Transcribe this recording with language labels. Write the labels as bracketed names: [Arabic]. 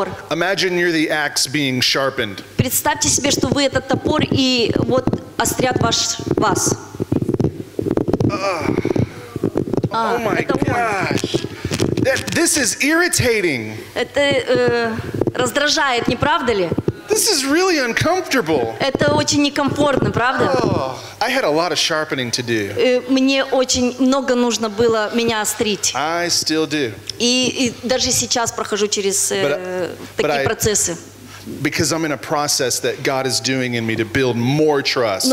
[English] Imagine you're the axe being sharpened. [Russian] Представьте себе, что вы этот топор и вот острят вас. [English] Oh my gosh. This is irritating. [Russian] Это раздражает, не правда ли? [English] This is really uncomfortable. [Russian] Это очень некомфортно, правда? [English] I had a lot of sharpening to do. [Russian] Мне очень много нужно было меня острить. [English] I still do. [Russian] И даже сейчас прохожу через такие процессы. [English] Because I'm in a process that God is doing in me to build more trust.